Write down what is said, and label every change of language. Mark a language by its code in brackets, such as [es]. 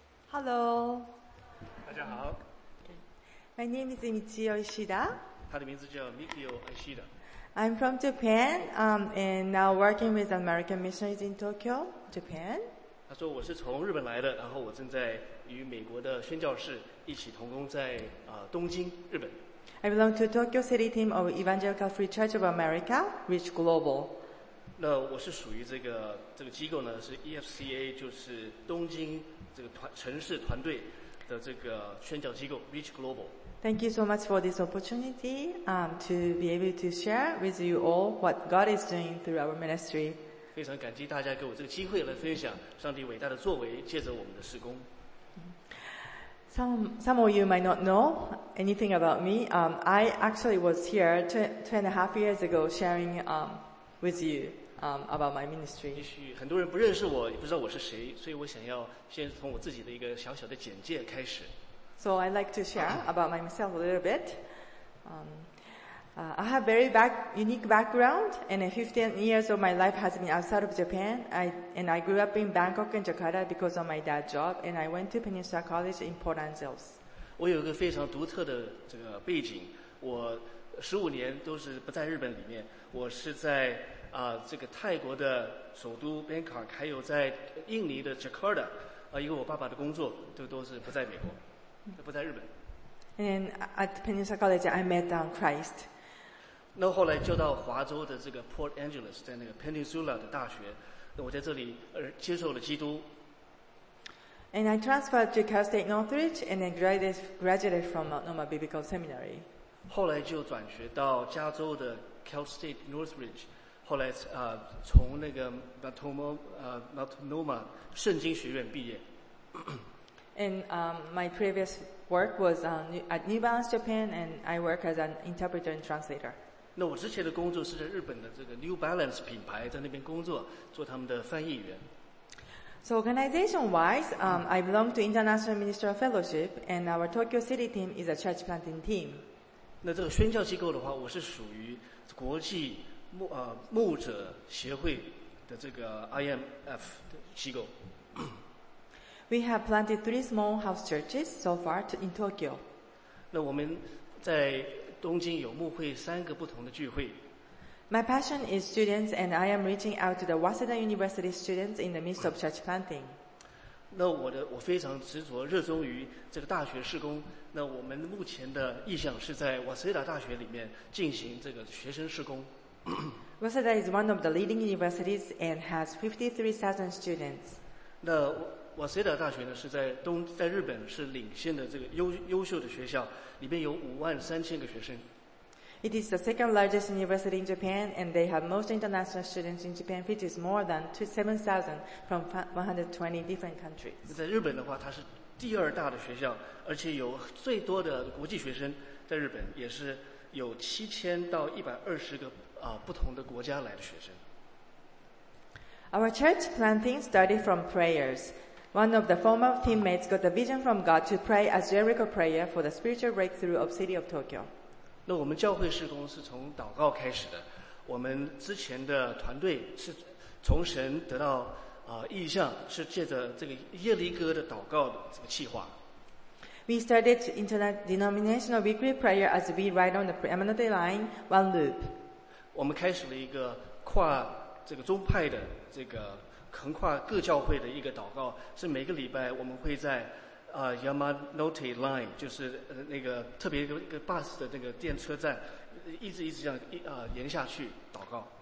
[en] Hello. [zh] 大家好。 [en] My name is Michio Ishida. [zh] 他的名字叫 Michio Ishida. [en] I'm from Japan, and now working with American missionaries in Tokyo, Japan. [zh] 他说我是从日本来的，然后我正在与美国的宣教士一起同工在东京，日本。 [en] I belong to Tokyo City Team of Evangelical Free Church of America, Reach Global. [zh] 那我是属于这个机构呢，是 EFCA， 就是东京。这个城市团队的这个宣教机构 Reach Global。 [en] Thank you so much for this opportunity, to be able to share with you all what God is doing through our ministry. [zh] 非常感激大家给我这个机会来分享上帝伟大的作为，借着我们的事工。 [en] Some of you might not know anything about me. I actually was here two and a half years ago sharing with you. About my ministry. [zh] 也许很多人不认识我，也不知道我是谁，所以我想要先从我自己的一个小小的简介开始。 [en] So I'd like to share about myself a little bit. I have very unique background, and 15 years of my life has been outside of Japan. I grew up in Bangkok and Jakarta because of my dad's job, and I went to Peninsula College in Port Angeles. [zh] 我有一个非常独特的这个背景，我15年都是不在日本里面，我是在。这个泰国的首都 Bangkok， 还有在印尼的 Jakarta， 因为我爸爸的工作都是不在美国，不在日本。 [en] And at Peninsula College, I met on Christ. [zh] 那后来就到华州的这个 Port Angeles， 在那个 Peninsula 的大学，那我在这里接受了基督。 [en] And I transferred to Cal State Northridge and then graduated from Noma Biblical Seminary. [zh] 后来就转学到加州的 Cal State Northridge。后来从那个 Multnomah 圣经学院毕业。 [en] And my previous work was at New Balance Japan, and I work as an interpreter and translator. [zh] 那我之前的工作是在日本的这个 New Balance 品牌，在那边工作，做他们的翻译员。 [en] So organization-wise, I belong to International Ministry of Fellowship, and our Tokyo City team is a church planting team. [zh] 那这个宣教机构的话，我是属于国际。牧者协会的这个 IMF 的机构。 [en] We have planted 3 small house churches so far in Tokyo. [zh] 那我们在东京有牧会三个不同的聚会。 [en] My passion is students, and I am reaching out to the Waseda University students in the midst of church planting. [zh] 那我非常执着热衷于这个大学事工。那我们目前的意向是在 Waseda 大学里面进行这个学生事工。 [en] Waseda is one of the leading universities and has 53,000 students. [zh] 那 Waseda 大学呢是在日本是领先的这个优秀的学校，里面有53,000个学生。 [en] It is the second largest university in Japan, and they have most international students in Japan, which is more than 27,000 from 120 different countries. [zh] 在日本的话，它是第二大的学校，而且有最多的国际学生在日本，也是有7,000 to 120个。不同的国家来的学生。 [en] Our church planting started from prayers. One of the former teammates got a vision from God to pray a Jericho prayer for the spiritual breakthrough of city of Tokyo. [zh] 那我们教会事工是从祷告开始的。我们之前的团队是从神得到意象，是借着这个耶利哥的祷告的这个企划。 [en] We started interdenominational weekly prayer as we ride on the preeminent line, one loop. [zh] 我们开始了一个跨这个宗派的这个横跨各教会的一个祷告，是每个礼拜我们会在Yamanote Line， 就是那个特别一个 bus 的那个电车站，一直这样沿下去祷告。